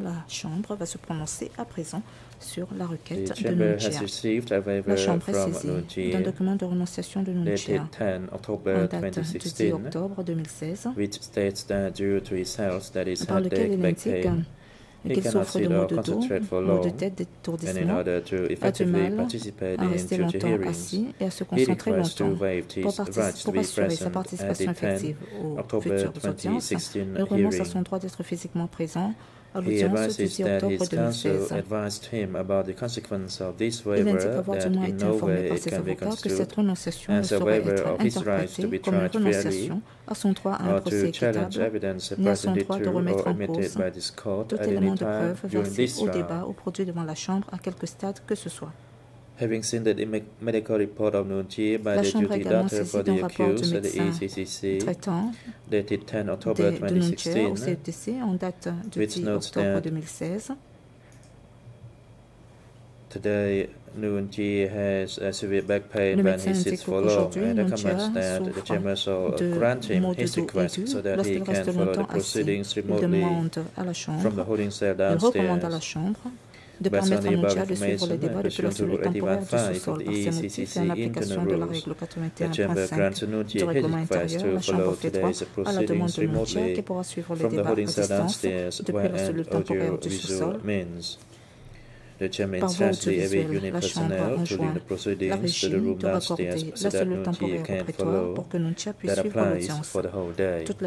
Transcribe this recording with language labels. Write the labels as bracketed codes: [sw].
[fr] La chambre va se prononcer à présent sur la requête de Nuntier. La chambre est saisie d'un document de renonciation de Nuntier, [en] dated 10 October 2016, [fr] du 10 octobre 2016, [en] which states that due to his health, that is [fr] par lequel il indique qu'il souffre de maux de dos, maux de tête, d'étourdissement, a du mal à rester longtemps assis et à se concentrer longtemps. Pour assurer sa participation effective aux futures audiences, il renonce à son droit d'être physiquement présent. [en] He advises that his counsel advised him about the consequence of this waiver, that in no way it can be construed as a waiver of his rights to be tried fairly, or to challenge evidence presented to or admitted by this court at any time during this trial. Having seen the medical report of Nuntier by [fr] la [en] the duty doctor for the accused at the ECCC, dated 10 October 2016, which notes that today Nuntier has a severe back pain when he sits for long, and recommends that the chamber shall grant him his request so that he can follow the proceedings remotely from the holding cell downstairs. [fr] De permettre à Nuntier de suivre les débats depuis la cellule temporaire de sous-sol par ses motifs et en application de la règle 81.5 du règlement intérieur, la chambre fait droit à la demande de Nuntier qui pourra suivre les débats à distance depuis la cellule temporaire du sous-sol. [en] The chamber instructs the AV unit personnel to leave the proceedings to the room downstairs so that Nuntier can follow that applies for the whole day.